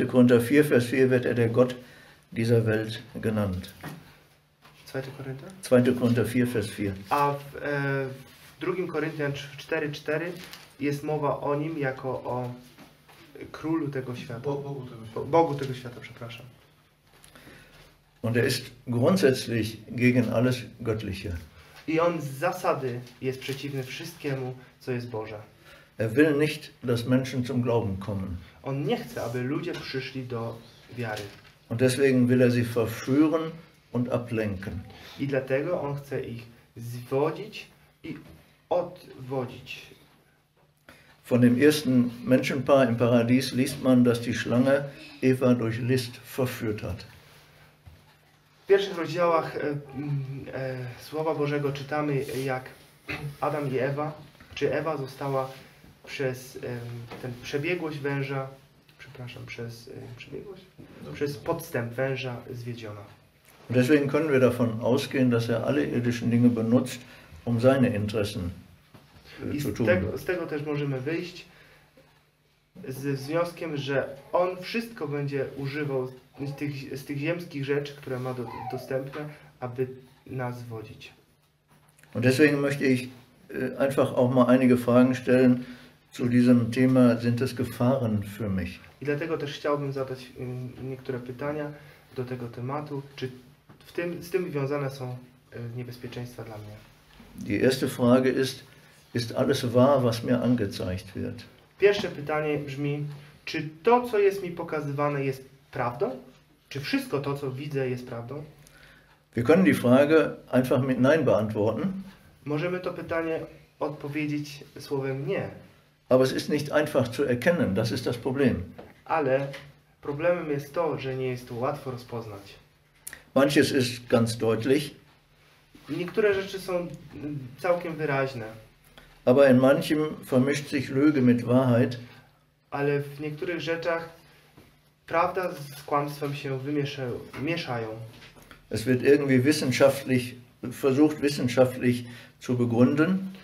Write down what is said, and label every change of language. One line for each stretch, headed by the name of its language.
German: Korinther 4, Vers 4 wird er der Gott dieser Welt genannt. 2. Korinther? 2. Korinther 4, Vers 4.
Polish: A w 2. Korinther 4, 4 jest mowa o nim jako o królu tego świata. Bogu tego świata, przepraszam.
German: Und ist grundsätzlich gegen alles Göttliche.
Polish: I on z zasady jest przeciwny wszystkiemu, co jest Boże.
German: Er will nicht, dass Menschen zum Glauben kommen.
Polish: On nie chce, aby ludzie przyszli do wiary.
German: Und deswegen will er sie verführen und ablenken.
Polish: I dlatego on chce ich zwodzić i odwodzić.
German: Von dem ersten Menschenpaar im Paradies liest man, dass die Schlange Eva durch List verführt hat.
Polish: W pierwszych rozdziałach Słowa Bożego czytamy, jak Adam i Ewa, czy Ewa została przez ten przebiegłość węża, przepraszam, przez przebiegłość? Przez podstęp węża zwiedziona.
German: Deswegen können wir davon ausgehen, dass er alle irdischen Dinge benutzt, um seine Interessen zu tun.
Polish: Z tego też możemy wyjść z wnioskiem, że on wszystko będzie używał z tych ziemskich rzeczy, które ma dostępne, aby nas wodzić.
German: Und deswegen möchte ich einfach auch mal einige Fragen stellen zu diesem Thema, sind es Gefahren für mich?
Polish: I dlatego też chciałbym zadać niektóre pytania do tego tematu, czy z tym związane są niebezpieczeństwa dla mnie.
German: Die erste Frage ist alles wahr, was mir angezeigt wird?
Polish: Pierwsze pytanie brzmi, czy to, co jest mi pokazywane, jest prawdą? Czy wszystko to, co widzę, jest prawdą?
German: Wir können die Frage einfach mit Nein beantworten.
Polish: Możemy to pytanie odpowiedzieć słowem nie.
German: Aber es ist nicht einfach zu erkennen, das ist das Problem.
Polish: Ale problemem jest to, że nie jest to łatwo rozpoznać.
German: Manches ist ganz deutlich.
Polish: Niektóre rzeczy są całkiem wyraźne.
German: Aber in manchem vermischt sich Lüge mit Wahrheit.
Polish: Ale w niektórych rzeczach prawda z kłamstwem się mieszają.
German: Es wird irgendwie wissenschaftlich versucht, wissenschaftlich zu begründen.